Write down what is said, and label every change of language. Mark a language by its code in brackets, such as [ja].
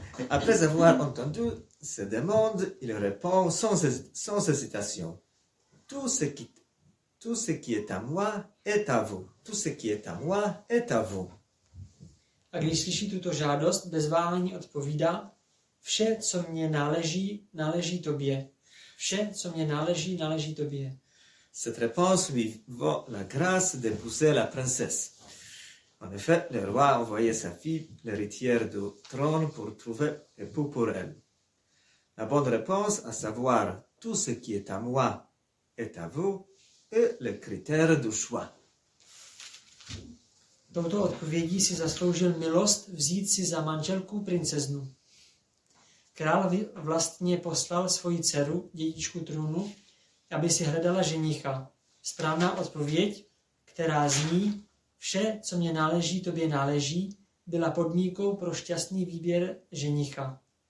[fr] Après avoir entendu ses demandes, il répond sans hésitation. Tout ce qui est à moi est à vous. Tout ce qui est à moi est à vous. [cs] A když slyší tuto žádost, bez váhání odpovídá: vše, co mě náleží, náleží tobě. Vše, co mě náleží, náleží tobě. [fr] Cette réponse lui vaut la grâce d'épouser la princesse. En effet, le roi a envoyé sa fille, l'héritière du trône, pour trouver époux pour elle. La bonne réponse, à savoir tout ce qui est à moi est à vous, est le critère du choix. [cs] Touto odpovědí si zasloužil milost vzít si za manželku princeznu. Král vlastně poslal svoji dceru, dědičku trůnu, aby si hledala ženicha. Správná odpověď, která zní: vše, co mě náleží, tobě náleží, byla podmínkou pro šťastný výběr ženicha.